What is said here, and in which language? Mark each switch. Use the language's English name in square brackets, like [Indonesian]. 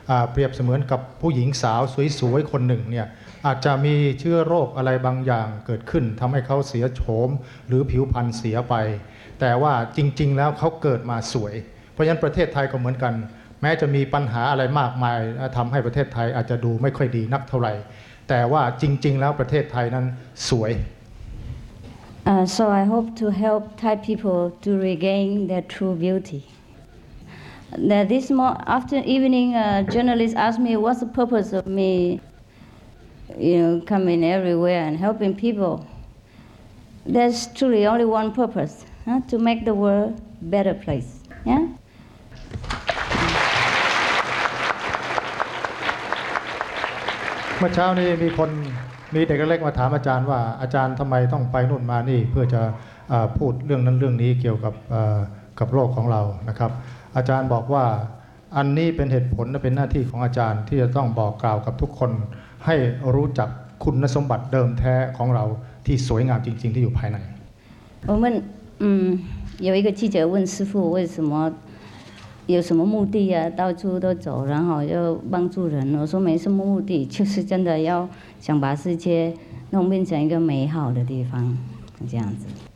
[Thai] เปรียบเสมือนกับผู้หญิงสาวสวยๆคนหนึ่งเนี่ยอาจจะมีเชื้อโรคอะไรบางอย่างเกิดขึ้นทำให้เขาเสียโฉมหรือผิวพรรณเสียไปแต่ว่าจริงๆแล้วเขาเกิดมาสวยเพราะฉะนั้นประเทศไทยก็เหมือนกันแม้จะมีปัญหาอะไรมากมายทำให้ประเทศไทยอาจจะดูไม่ค่อยดีนักเท่าไหร่แต่ว่าจริงๆแล้วประเทศไทยนั้นสวย [English] So I hope to help Thai people to regain their true beauty. Now this after evening, journalist asked me what's the purpose of me, you know, coming everywhere and helping people. There's truly only one purpose, to make the world a better place. Yeah. [Thai] เมื่อเช้านี้มีเด็กเล็กมาถามอาจารย์ว่าอาจารย์ทำไมต้องไปนู่นมานี่เพื่อจะพูดเรื่องนั้นเรื่องนี้เกี่ยวกับโรคของเรานะครับอาจารย์บอกว่าอันนี้เป็นเหตุผลและเป็นหน้าที่ของอาจารย์ที่จะต้องบอกกล่าวกับทุกคนให้รู้จักคุณสมบัติเดิมแท้ของเราที่สวยงามจริงๆที่อยู่ภายใน ผมมัน [Chinese] 有一个记者问师父为什么有什么目的啊？到处都走，然后就帮助人。我说没什么目的，就是真的要想把世界弄变成一个美好的地方，这样子。